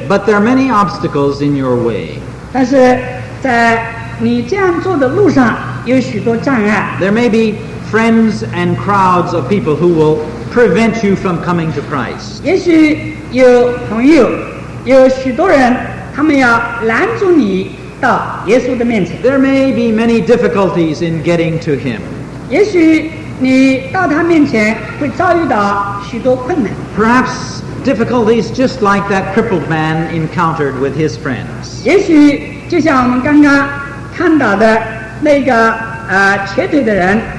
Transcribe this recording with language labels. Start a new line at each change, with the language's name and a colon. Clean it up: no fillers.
English: But there are many obstacles in your way.
Chinese: 但是在你这样做的路上有许多障碍。
English: There may be friends and crowds of people who will prevent you from coming to Christ.
Chinese: 也许有朋友，有许多人，他们要拦阻你到耶稣的面前。
English: There may be many difficulties in getting to him.
Chinese: 也许你到他面前会遭遇到许多困难。
English: Perhaps difficulties just like that crippled man encountered with his friends.
Chinese: 也许就像我们刚刚看到的那个瘸腿的人。